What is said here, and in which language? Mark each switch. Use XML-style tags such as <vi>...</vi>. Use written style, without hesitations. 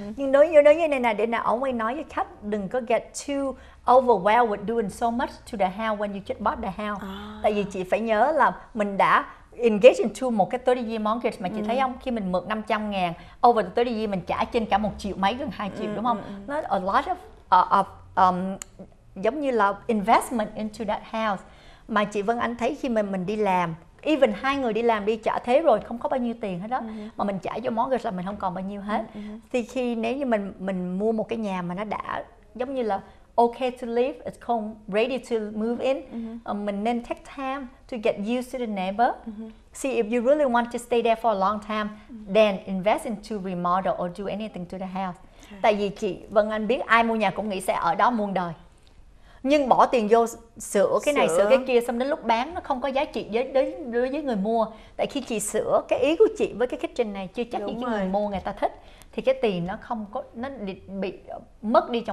<vi>Nhưng đối với này nè, để nào ông ấy nói với khách đừng có</vi> <en>get too overwhelmed with doing so much to the house</en> <vi>when you just bought the house. Tại vì chị phải nhớ là mình đã</vi> <en>engage into</en> <vi>một cái</vi> <en>30 year mortgage</en> <vi>mà chị thấy không, khi mình mượn 500 ngàn</vi> <en>over the 30 year</en> <vi>mình trả trên cả 1 triệu mấy, gần 2 triệu, đúng không? Nó</vi> <en>a lot of</en> <vi>giống như là</vi> <en>investment into that house.</en> <vi>Mà chị Vân Anh thấy khi mình đi làm, even hai người đi làm đi trả thế rồi không có bao nhiêu tiền hết đó, mà mình trả cho mortgage là mình không còn bao nhiêu hết. Thì khi nếu như mình mua một cái nhà mà nó đã giống như là</vi> <en>okay to live, it's called ready to move in,</en> <vi>mình nên</vi> <en>take time to get used to the neighbor. See if you really want to stay there for a long time, then invest into remodel or do anything to the house.</en> <vi>Tại vì chị Vân Anh biết ai mua nhà cũng nghĩ sẽ ở đó muôn đời, nhưng bỏ tiền vô sửa cái này sửa cái kia, xong đến lúc bán nó không có giá trị đối với người mua. Tại khi chị sửa, cái ý của chị với cái kitchen này chưa chắc những người mua người ta thích, thì cái tiền nó không có, nó bị mất đi trong</vi>